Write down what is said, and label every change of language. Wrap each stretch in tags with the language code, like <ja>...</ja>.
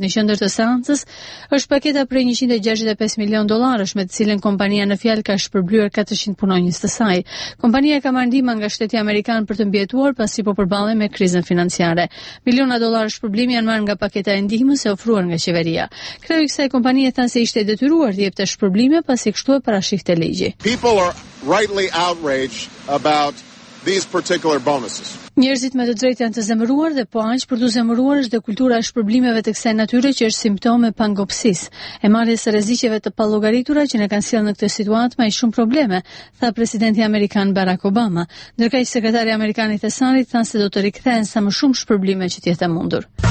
<sq>Në qendër të seancës është paketa prej 165 milion dollarësh me të cilën kompania në fjalë ka shpërblyer 400 punonjës të saj. Kompania ka marrë ndihmë nga shteti amerikan për të mbijetuar pasi po përballej me krizën financiare. Miliona dollarësh shpërblimi janë marrë nga paketa e ndihmës e ofruar nga qeveria. Kreu i kësaj kompanie tha se ishte detyruar të jepte shpërblime pasi kështu e parashikte ligji.</sq> <en>People are rightly outraged about these particular bonuses.</en> <sq>Njerëzit me të drejtë janë të zemëruar dhe po aq për të zemëruar është dhe kultura e shpërblimeve të kësaj natyre që është simptom e pangopsisë, e marrjes së rreziqeve të pallogaritura që ne kanë sjellë në këtë situatë me aq shumë probleme, tha presidenti amerikan Barack Obama, ndërkaq sekretari amerikan i Thesarit tha se do të rikthehen sa më shumë shpërblime që të jetë mundur.</sq>